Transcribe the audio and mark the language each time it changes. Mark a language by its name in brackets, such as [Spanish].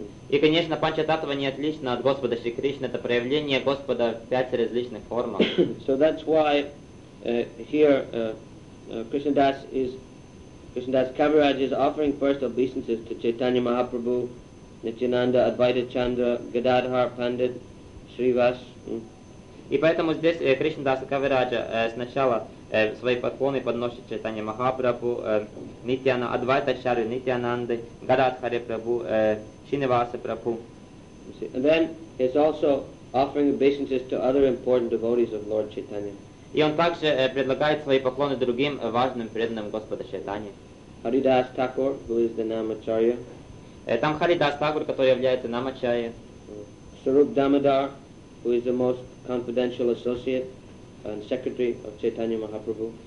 [Russian] И, конечно, Панчататва не отлична от Господа Шри Кришны. Это проявление Господа в пяти различных формах. [English] So that's why here Krishnadas Kaviraj is offering first obeisances to Chaitanya Mahaprabhu, Nityananda, Advaita Chandra, Gadadhar Pandit, Srivas. [Russian] И поэтому здесь Кришнадаса Кавираджа сначала свои поклоны подносит Чайтанья Махапрабху, Нитьянанда, Адвайта Чарри, Нитьянанды, Гададхари Прабху, Шринивасы Прабху. [English] And then he's also offering obeisances to other important devotees of Lord Chaitanya. [Russian] И он также предлагает свои поклоны другим важным преданным Господа Чайтанья. [English] Haridas Thakur, who is the Namacharya. [Russian] Там Харидас Тагур, который является Намачарья. [English] Сруб Дамодар, who is the most confidential associate and secretary of Chaitanya Mahaprabhu.